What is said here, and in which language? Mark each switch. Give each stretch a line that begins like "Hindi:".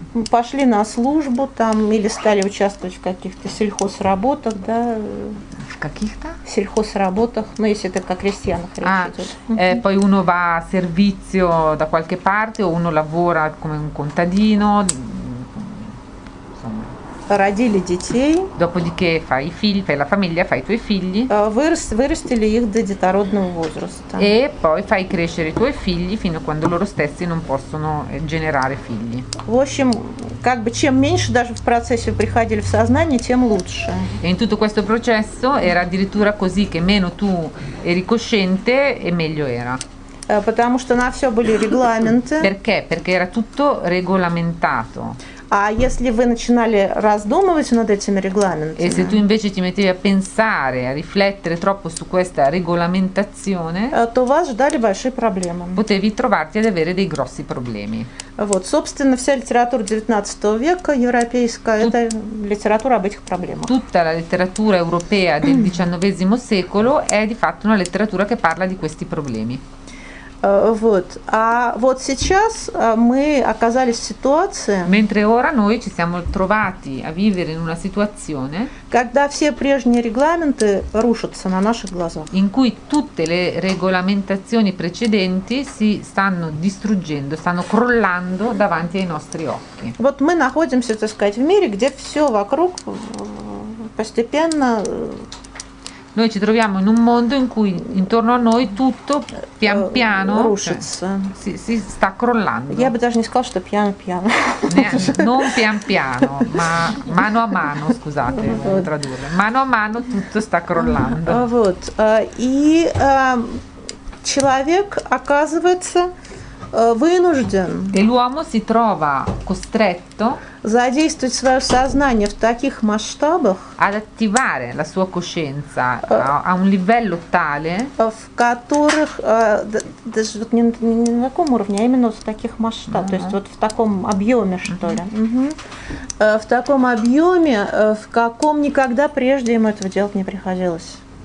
Russian: Пошли на службу там или стали участвовать в каких-то сельхозработах, да? В каких-то? Сельхозработах, ну если это как крестьянах речь идет.
Italian: Poi uno va a servizio da qualche parte o uno lavora come un contadino.
Russian: Родили детей.
Italian: Dopodiché fai figli, fai la famiglia, fai i tuoi figli.
Russian: Вырастили их до детородного возраста.
Italian: E poi fai crescere i tuoi figli fino a quando loro stessi non possono generare figli.
Russian: В общем, как бы чем меньше даже в процессе приходили в сознание, тем лучше.
Italian: E in tutto questo processo era addirittura così che meno tu eri cosciente e meglio era.
Russian: потому что на все были регламенты.
Italian: Perché? Perché era tutto regolamentato.
Russian: А если вы начинали раздумывать над этими регламентами? Если ты
Italian: invece ti mettevi a pensare, a riflettere troppo su questa regolamentazione,
Russian: то вас ждали большие проблемы.
Italian: Potevi trovarti ad avere dei grossi problemi.
Russian: Вот, собственно, вся литература 19 века европейская это литература об этих проблемах.
Italian: Tutta la letteratura europea del XIX secolo è di fatto una letteratura che parla di questi problemi.
Russian: Вот. А вот сейчас мы оказались в ситуации.
Italian: Mentre ora noi ci siamo trovati a vivere in una situazione.
Russian: Когда все прежние регламенты рушатся на наших глазах.
Italian: In cui tutte le regolamentazioni precedenti si stanno distruggendo, stanno crollando davanti ai nostri occhi.
Russian: Вот мы находимся, так сказать, в мире, где все вокруг постепенно.
Italian: Noi ci troviamo in un mondo in cui intorno a noi tutto pian piano si sta crollando.
Russian: Я бы даже не сказала, что пиано пиано.
Italian: Non pian piano, ma mano a mano, scusate, tradurre. Mano a mano tutto sta crollando.
Russian: Вот. И человек оказывается вынужден.
Italian: E l'uomo si trova costretto.
Russian: Задействовать свое сознание в таких масштабах,
Italian: ad attivare la sua coscienza a un livello tale,
Russian: в которых даже вот не на каком уровне, а именно в таких масштабах, то есть вот в таком объеме, что ли, в таком объеме, в каком никогда прежде ему этого делать не приходилось,